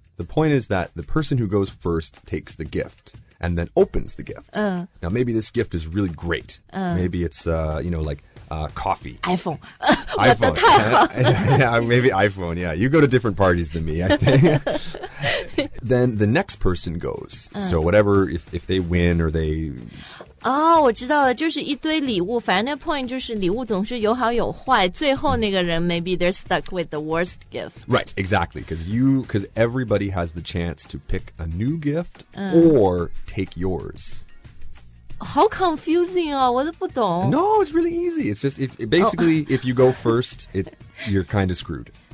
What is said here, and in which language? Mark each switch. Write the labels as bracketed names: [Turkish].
[English] The point is that the person who goes first takes the gift. And then opens the gift. Now, maybe this gift is really great. Maybe it's, you know, like coffee. iPhone. iPhone. yeah, maybe iPhone. Yeah, you go to different parties than me, I think. Then the next person goes. So whatever, if they win or they... [Chinese] Oh, 我知道了，就是一堆礼物。反正那 point 就是礼物总是有好有坏。最后那个人 [English] maybe they're stuck with the worst gift. Right, exactly. Because everybody has the chance to pick a new gift or take yours. How confusing, [Chinese] 我都不懂。 [English] No, it's really easy. It's just basically, if you go first, you're kind of screwed.